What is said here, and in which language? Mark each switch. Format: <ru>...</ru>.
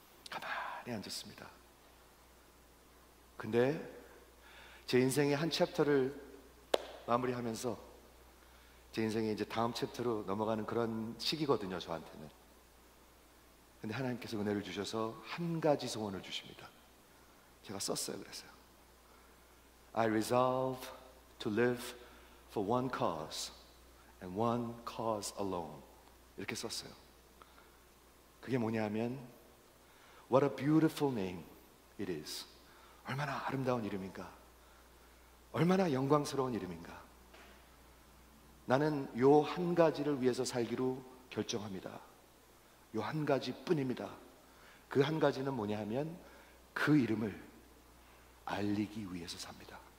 <ko>가만히 앉았습니다. 근데 제 인생의 한 챕터를 마무리하면서 제 인생이 이제 다음 챕터로 넘어가는 그런 시기거든요, 저한테는. 근데 하나님께서 은혜를 주셔서 한 가지 소원을 주십니다. 제가 썼어요. 그랬어요.</ko> <en>I resolve to live for one cause and one cause alone.</en> <ko>이렇게 썼어요. 그게 뭐냐면</ko> <en>What a beautiful name it is.</en> <ko>얼마나 아름다운 이름인가. 얼마나 영광스러운 이름인가. 나는 요 한 가지를 위해서 살기로 결정합니다. 요 한 가지 뿐입니다. 그 한 가지는 뭐냐 하면 그 이름을 알리기 위해서 삽니다.</ko>